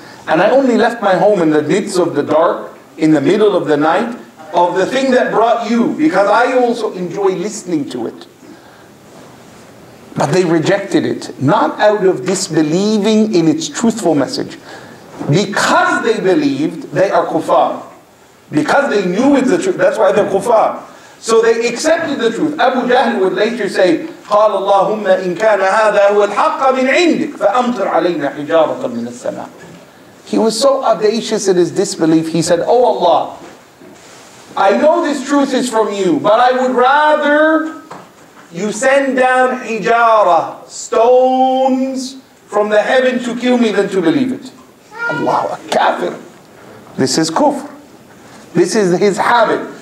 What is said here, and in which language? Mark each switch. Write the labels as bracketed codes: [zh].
[en] And I only left my home in the midst of the dark, in the middle of the night, of the thing that brought you, because I also enjoy listening to it. But they rejected it, not out of disbelieving in its truthful message. Because they believed, they are kuffar. Because they knew it's the truth, that's why they're kuffar. So they accepted the truth. Abu Jahl would later say, [ar] قال اللهم إن كان هذا هو الحق من عندك فأمطر علينا حجارة من السماء. [en] He was so audacious in his disbelief, he said, Oh Allah, I know this truth is from you, but I would rather you send down hijara, stones from the heaven to kill me than to believe it. Allahu Akbar. This is kufr. This is his habit.